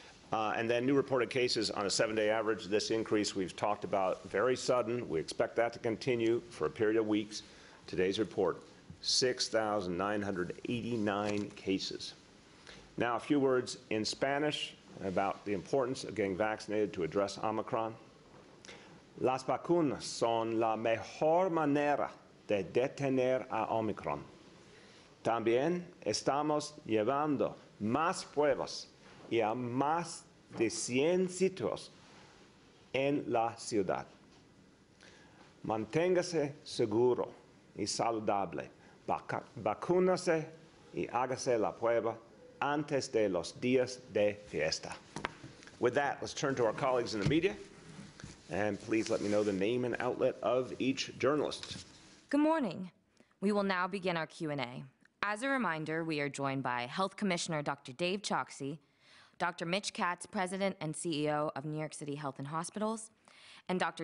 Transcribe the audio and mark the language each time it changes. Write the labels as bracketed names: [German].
[English] And then new reported cases on a 7-day average. This increase we've talked about, very sudden. We expect that to continue for a period of weeks. Today's report, 6,989 cases. Now, a few words in Spanish about the importance of getting vaccinated to address Omicron. [Spanish] Las vacunas son la mejor manera de detener a Omicron. También estamos llevando más pruebas y a más de 100 sitios en la ciudad. Manténgase seguro y saludable. Vacúnase y hágase la prueba antes de los días de fiesta. [English] With that, let's turn to our colleagues in the media. And please let me know the name and outlet of each journalist. Good morning. We will now begin our Q&A. As a reminder, we are joined by Health Commissioner Dr. Dave Choksi, Dr. Mitch Katz, President and CEO of New York City Health and Hospitals, and Dr.